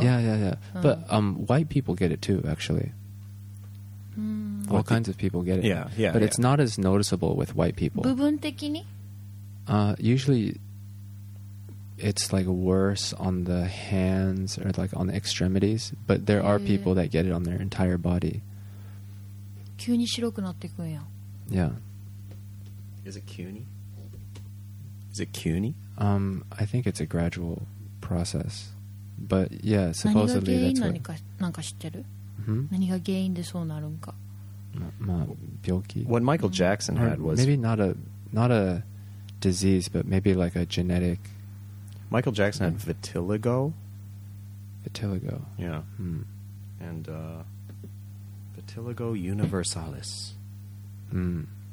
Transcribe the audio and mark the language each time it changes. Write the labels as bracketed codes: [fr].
[en] Yeah. But white people get it too, actually. All kinds of people get it. Yeah, it's not as noticeable with white people. [ja] 部分的に? [en] Usually, it's like worse on the hands or like on the extremities, but there are people that get it on their entire body. [ja] 急に白くなってくんや。 [en] Yeah. Is it CUNY? I think it's a gradual process. But yeah, supposedly that's what... [ja] 何が原因何か知ってる? Mm-hmm. 何が原因でそうなるんか? [en] What Michael Jackson had was maybe not a disease, but maybe like a genetic. Michael Jackson had vitiligo. Vitiligo. Yeah. Mm. And vitiligo universalis. Mm.